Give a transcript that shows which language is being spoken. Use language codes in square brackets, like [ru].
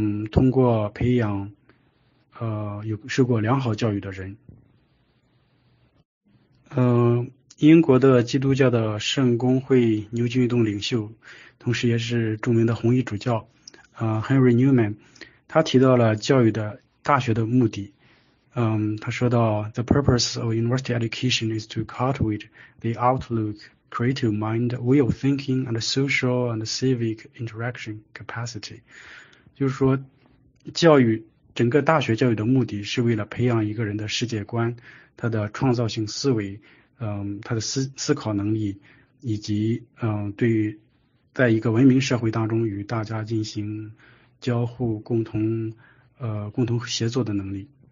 [zh] 通过培养，有受过良好教育的人。英国的基督教的圣公会牛津运动领袖，同时也是著名的红衣主教，Henry Newman，他提到了教育的大学的目的。 [en] 他说到：“The purpose of university education is to cultivate the outlook, creative mind, way of thinking, and social and civic interaction capacity。 [zh] ”就是说，教育整个大学教育的目的是为了培养一个人的世界观。他的创造性思维，他的思考能力，以及对于在一个文明社会当中与大家进行交互、共同协作的能力。